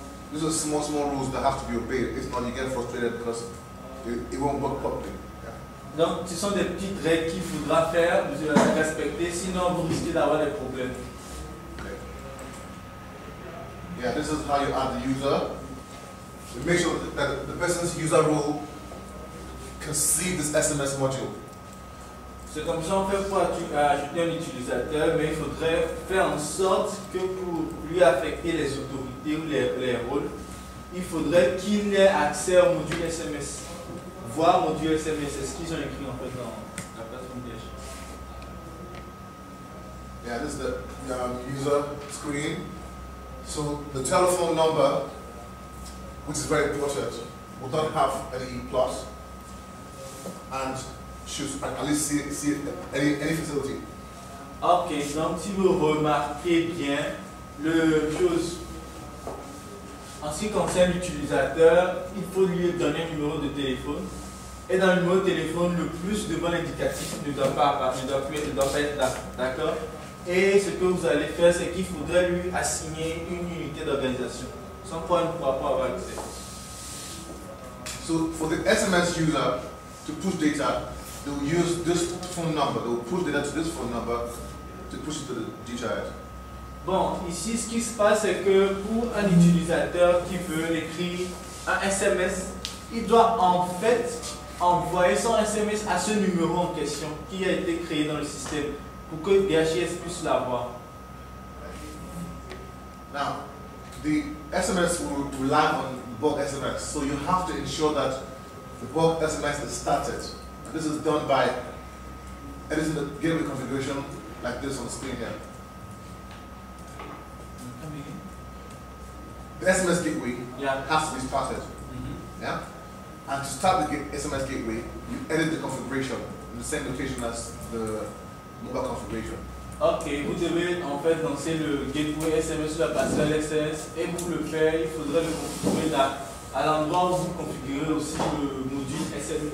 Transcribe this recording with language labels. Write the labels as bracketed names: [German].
[English] These are small rules that have to be obeyed. If not, you get frustrated because it won't work properly. [French] Donc, ce sont des petites règles qu'il faudra faire, vous devez les respecter, sinon vous risquez d'avoir des problèmes. [English] Okay. Yeah, this is how you add the user. You make sure that the person's user role can see this SMS module. [French] C'est comme ça on fait pour ajouter un utilisateur, mais il faudrait faire en sorte que pour lui affecter les autorités ou les rôles, il faudrait qu'il ait accès au module SMS. Voir mon Dieu SMS, c'est ce qu'ils ont écrit en fait dans la plateforme DHIS. [English] Yeah, this is the user screen. So the telephone number, which is very important, will not have any plus and should at least see any facility. [French] Ok, donc si vous remarquez bien le chose. En ce qui concerne l'utilisateur, il faut lui donner un numéro de téléphone. Et dans le numéro de téléphone, le plus devant l'indicatif ne doit pas apparaître, ne doit pas être là. D'accord? Et ce que vous allez faire, c'est qu'il faudrait lui assigner une unité d'organisation. Sans quoi il ne pourra pas avoir accès. [English] So for the SMS user to push data, they will use this phone number, they will push data to this phone number, to push it to the DHIS. [French] Bon, ici, ce qui se passe, c'est que pour un utilisateur qui veut écrire un SMS, il doit en fait envoyer son SMS à ce numéro en question qui a été créé dans le système pour que DHIS puisse l'avoir. [English] Now, the SMS will rely on bulk SMS, so you have to ensure that the bulk SMS is started. And this is done by editing the gateway configuration like this on the screen here. The SMS gateway has to be started. Mm-hmm. Yeah? And to start the SMS gateway, you edit the configuration in the same location as the mobile configuration. [French] Ok, vous devez en fait lancer le gateway SMS sur la passerelle SMS et pour le faire, il faudrait le configurer là, à l'endroit où vous configurez aussi le module SMS.